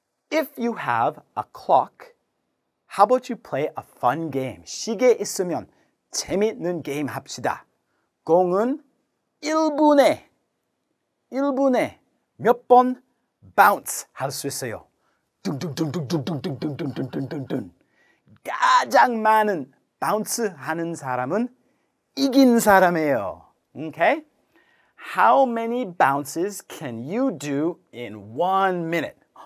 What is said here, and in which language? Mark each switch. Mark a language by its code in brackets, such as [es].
[en] If you have a clock, how about you play a fun game? [ko] 시계 있으면 재밌는 게임 합시다. 공은 1분에, 1분에 몇 번 bounce 할 수 있어요? 둥둥둥둥둥둥둥둥둥둥둥둥둥둥 가장 많은 bounce 하는 사람은 이긴 사람이에요. [en] Okay? How many bounces can you do in 1 minute?